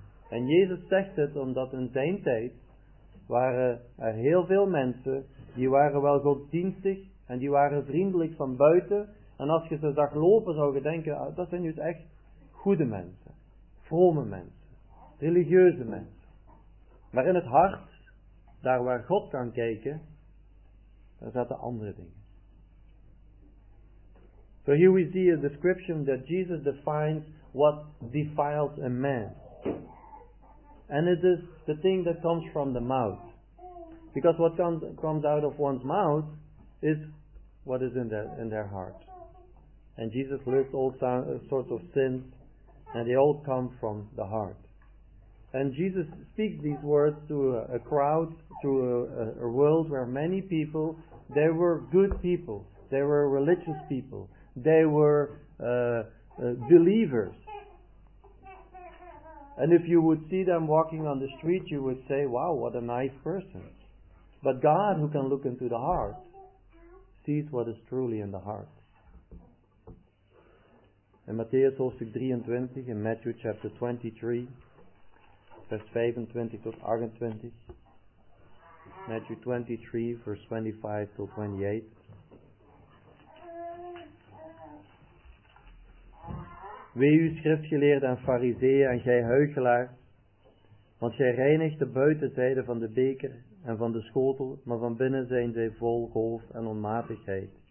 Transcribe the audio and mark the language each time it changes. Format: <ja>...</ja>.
<nl>En Jezus zegt het omdat in zijn tijd waren er heel veel mensen die waren wel godsdienstig en die waren vriendelijk van buiten. En als je ze zag lopen zou je denken, dat zijn dus echt goede mensen, vrome mensen, religieuze mensen. Maar in het hart, daar waar God kan kijken, daar zaten andere dingen.</nl> <en>So here we see a description that Jesus defines what defiles a man. And it is the thing that comes from the mouth. Because what comes out of one's mouth is what is in their heart. And Jesus lists all sorts of sins, and they all come from the heart. And Jesus speaks these words to a crowd, to a world where many people, they were good people, they were religious people. They were believers. And if you would see them walking on the street, you would say, wow, what a nice person. But God, who can look into the heart, sees what is truly in the heart.</en> <nl>In Matthäus hoofdstuk 23,</nl> <en>in Matthew chapter 23,</en> <nl>vers 25 tot 28, Matthew 23, vers 25 tot 28, wee u schriftgeleerde en fariseeën en gij huichelaars, want gij reinigt de buitenzijde van de beker en van de schotel, maar van binnen zijn zij vol golf en onmatigheid.</nl>